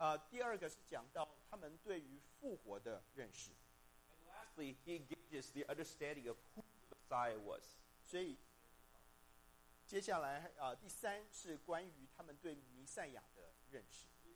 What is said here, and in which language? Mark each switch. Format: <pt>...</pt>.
<zh>第二个是讲到他们对于复活的认识。</zh> <en>And lastly, he engages the understanding of who the Messiah was.</en> <zh>所以接下来第三是关于他们对弥赛亚的认识。</zh>